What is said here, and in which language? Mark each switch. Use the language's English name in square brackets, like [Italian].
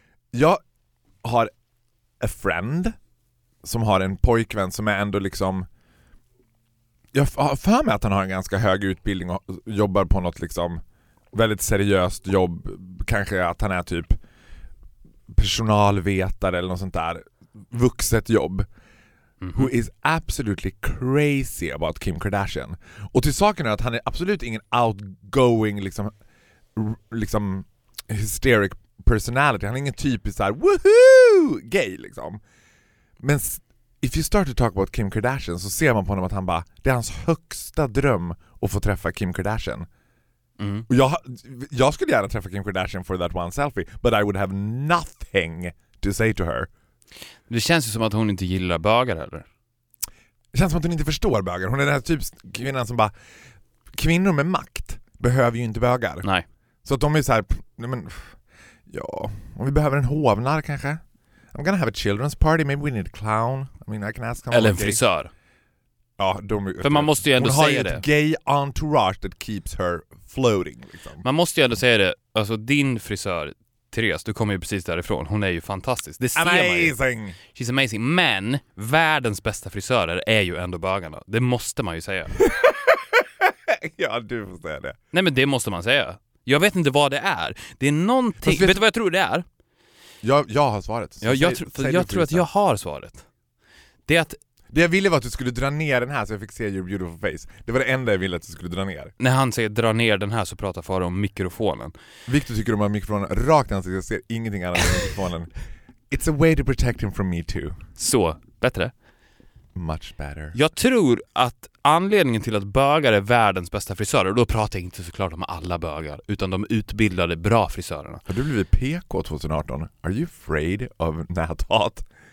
[Swedish] Jag har [English] a friend [Swedish] som har en pojkvän som är ändå liksom, jag har för mig att han har en ganska hög utbildning och jobbar på något liksom väldigt seriöst jobb. Kanske att han är typ personalvetare eller något sånt där. Vuxet jobb. Mm-hmm. [English] Who is absolutely crazy about Kim Kardashian. [Swedish] Och till saken är att han är absolut ingen outgoing liksom, liksom [English] hysteric personality. [Swedish] Han är ingen typisk såhär woohoo gay liksom. Men [English] if you start to talk about Kim Kardashian [Swedish] så ser man på honom att han bara, det är hans högsta dröm att få träffa Kim Kardashian. Mm. Och jag skulle gärna träffa Kim Kardashian [English] for that one selfie, but I would have nothing to say to her. [Swedish] Det känns ju som att hon inte gillar bögar heller. Det känns som att hon inte förstår bögar. Hon är den här typ kvinnan som bara, kvinnor med makt behöver ju inte bögar. Nej. Så att de är så här, nej men, ja, om vi behöver en hovnar kanske. [English] I'm gonna have a children's party, maybe we need a clown. I mean, I can ask [Swedish] them. Eller en frisör. Ja, de, för man måste ju ändå säga det. Hon har ett [English] gay entourage that keeps her floating liksom. [Swedish] Man måste ju ändå säga det. Alltså din frisör Therese, du kommer ju precis därifrån. Hon är ju fantastisk. Det ser [English] amazing. [Swedish] Man ju. [English] She's amazing. [Swedish] Men världens bästa frisörer är ju ändå bögarna. Det måste man ju säga. Ja, du får säga det. Nej, men det måste man säga. Jag vet inte vad det är. Det är någonting. Vet du vad jag tror det är? Jag har svaret. Ja, jag tror att jag har svaret. Det är att det jag ville var att du skulle dra ner den här så jag fick se [English] your beautiful face. [Swedish] Det var det enda jag ville att du skulle dra ner. När han säger dra ner den här så pratar far om mikrofonen. Victor tycker om att mikrofonen rakt i ansiktet. Jag ser ingenting annat än mikrofonen. [English] It's a way to protect him from me too. [Swedish] Så, bättre. [English] Much better. [Swedish] Jag tror att anledningen till att bögar är världens bästa frisörer, och då pratar jag inte såklart om alla bögar, utan de utbildade bra frisörerna. Har du blivit PK 2018? [English] Are you afraid of näthat?